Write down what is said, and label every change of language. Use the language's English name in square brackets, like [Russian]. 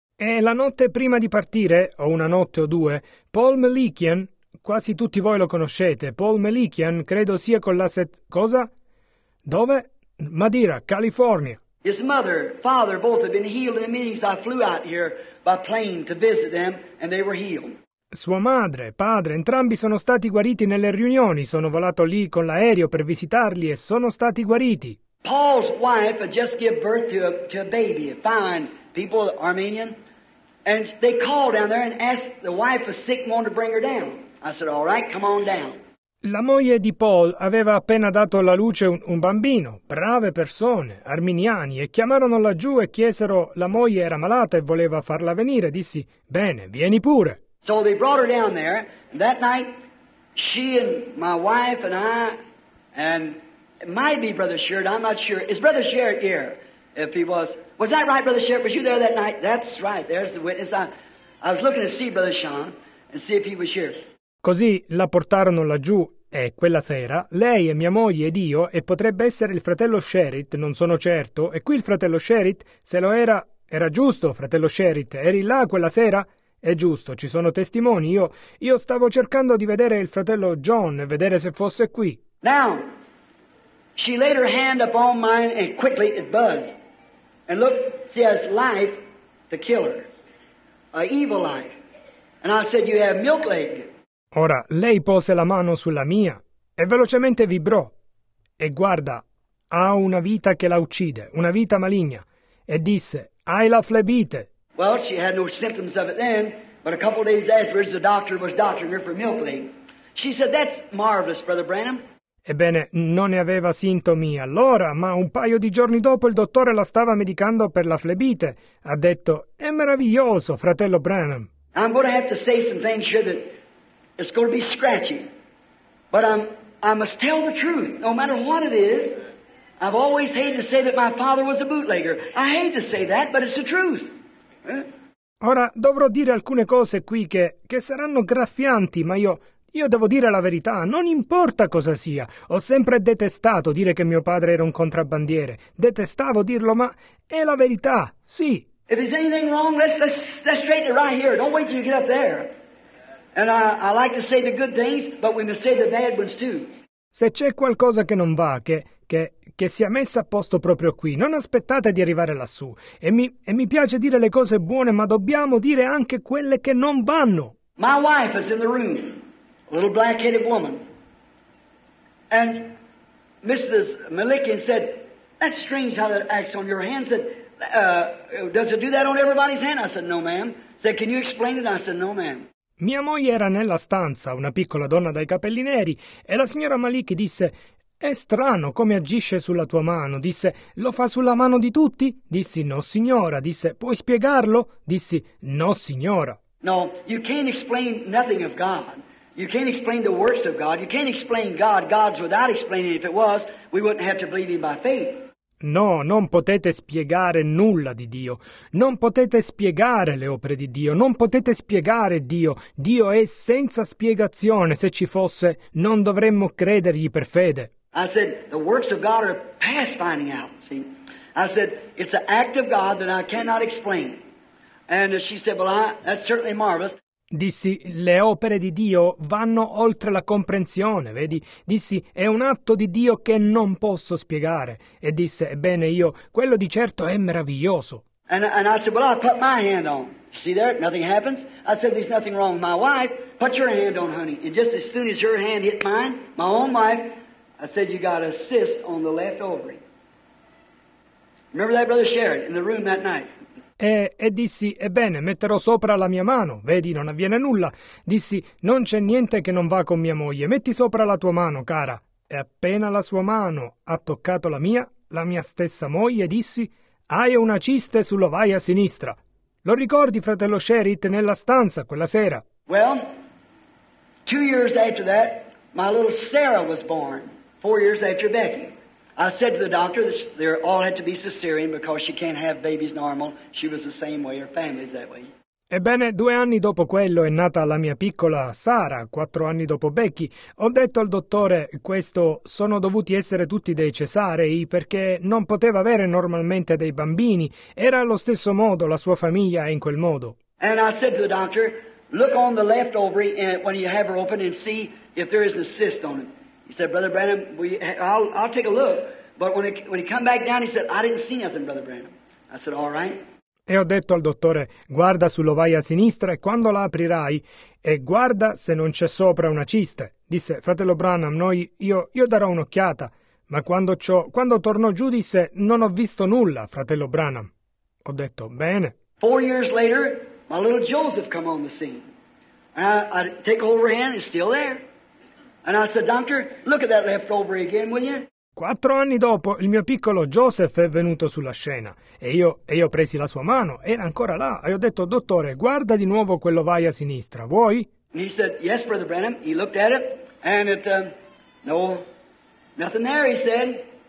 [Italian] E la notte prima di partire, o una notte o due, Paul Malikian, quasi tutti voi lo conoscete, Paul Malikian, credo sia con la cosa? Dove? Madera, California. [English] His mother, father, both have been healed in the meetings. I flew out here by plane to visit them, and they were healed. [Italian] Sua madre, padre, entrambi sono stati guariti nelle riunioni. Sono volato lì con l'aereo per visitarli e sono stati guariti. [English] Paul's wife had just given birth to a baby, a fine people, Armenian. And they called down there and asked the wife was sick and wanted to bring her down. I said, all right, come on down. [Italian] La moglie di Paul aveva appena dato alla luce un bambino, brave persone, arminiani, e chiamarono laggiù e chiesero, la moglie era malata e voleva farla venire. Dissi, bene, vieni pure. [English] So they brought her down there, and that night, she and my wife and I, and it might be Brother Sherritt, I'm not sure. Is Brother Sherritt here? If he was. Was that right, Brother Sherritt? Was you there that night? That's right, there's the witness. I was looking to see Brother Sean and see if he was here. [Italian] Così la portarono laggiù, E quella sera, lei e mia moglie ed io, e potrebbe essere il fratello Sherritt, non sono certo, e qui il fratello Sherritt, se lo era, era giusto, fratello Sherritt, eri là quella sera? È giusto, ci sono testimoni, io stavo cercando di vedere il fratello John, vedere se fosse qui. [English] Now, she laid her hand upon mine and quickly it buzzed. And look, she has life, the killer, a evil life. And I said, you have milk leg. [Italian] Ora, lei pose la mano sulla mia e velocemente vibrò. E guarda, ha una vita che la uccide, una vita maligna. E disse, hai la flebite. [English] Well, she had no symptoms of it then, but a couple days afterwards the doctor was doctoring her for milk leg. She said, that's marvelous, Brother Branham. [Italian] Ebbene, non ne aveva sintomi allora, ma un paio di giorni dopo il dottore la stava medicando per la flebite. Ha detto, è meraviglioso, fratello Branham. [English] I'm going to have to say some things here that it's going to be scratchy. But I must tell the truth, no matter what it is. I've always hated to say that my father was a bootlegger. I hate to say that, but it's the truth. [Italian] Ora, dovrò dire alcune cose qui che saranno graffianti, ma io devo dire la verità, non importa cosa sia. Ho sempre detestato dire che mio padre era un contrabbandiere. Detestavo dirlo, ma è la verità, sì. [English] If there's anything wrong, let's straighten it right here. Don't wait till you get up there. And I like to say the good things, but we must say the bad ones too. [Italian] Se c'è qualcosa che non va, che sia messa a posto proprio qui, non aspettate di arrivare lassù. E mi piace dire le cose buone, ma dobbiamo dire anche quelle che non vanno. [English] My wife is in the room. A little black-headed woman. And Mrs. Malikian said, that's strange how that acts on your hand. Said, does it do that on everybody's hand? I said, no, ma'am. Said, can you explain it? I said, no, ma'am. [Italian] Mia moglie era nella stanza, una piccola donna dai capelli neri, e la signora Malik disse, è strano come agisce sulla tua mano. Disse, lo fa sulla mano di tutti? Dissi, no, signora. Disse, puoi spiegarlo? Dissi, no, signora. [English] No, you can't explain nothing of God. You can't explain the works of God. You can't explain God. God's without explaining. If it was, we wouldn't have to believe him by faith. [Italian] No, non potete spiegare nulla di Dio. Non potete spiegare le opere di Dio. Non potete spiegare Dio. Dio è senza spiegazione. Se ci fosse, non dovremmo credergli per fede. [English] I said, the works of God are past finding out. See, I said, it's an act of God that I cannot explain. And she said, well, that's certainly marvelous. [Italian] Dissi, le opere di Dio vanno oltre la comprensione, vedi? Dissi, è un atto di Dio che non posso spiegare. E disse, ebbene io, quello di certo è meraviglioso. [English] And I said, well, I put my hand on. See there, nothing happens. I said, there's nothing wrong with my wife. Put your hand on, honey. And just as soon as your hand hit mine, my own wife, I said, you got a cyst on the left ovary. Remember that, Brother Sherritt, in the room that night? [Italian] E dissi, ebbene, metterò sopra la mia mano, vedi, non avviene nulla. Dissi, non c'è niente che non va con mia moglie, metti sopra la tua mano, cara. E appena la sua mano ha toccato la mia stessa moglie, dissi, hai una ciste sull'ovaia sinistra. Lo ricordi, fratello Sherritt, nella stanza quella sera? [English] Well, 2 years after that, my little Sarah was born, 4 years after Becky. I said to the doctor that they all had to be cesarean because she can't have babies normal. She was the same way, her family's that way. [Italian] Ebbene, 2 anni dopo quello è nata la mia piccola Sara, 4 anni dopo Becky. Ho detto al dottore, questo sono dovuti essere tutti dei cesarei perché non poteva avere normalmente dei bambini. Era allo stesso modo, la sua famiglia è in quel modo. [English] And I said to the doctor, look on the left ovary when you have her open and see if there is a cyst on it. He said, Brother Branham, I'll take a look. But when he come back down, he said, I didn't see nothing, Brother Branham. I said, all right. [Italian] E ho detto al dottore, guarda sull'ovaia sinistra e quando la aprirai, e guarda se non c'è sopra una cista. Disse, fratello Branham, io darò un'occhiata. Ma quando tornò giù, disse, non ho visto nulla, fratello Branham. Ho detto, bene. [English] 4 years later, my little Joseph come on the scene. I take hold of her hand, it's still there. And I said, doctor, look at that left ovary again, will you? [Italian] 4 anni dopo, il mio piccolo Joseph è venuto sulla scena. E io presi la sua mano. Era ancora là. E ho detto, dottore, guarda di nuovo quell'ovaia sinistra. Vuoi? [English] And he said, yes, Brother Branham. He looked at it. And it, no, nothing there, he said.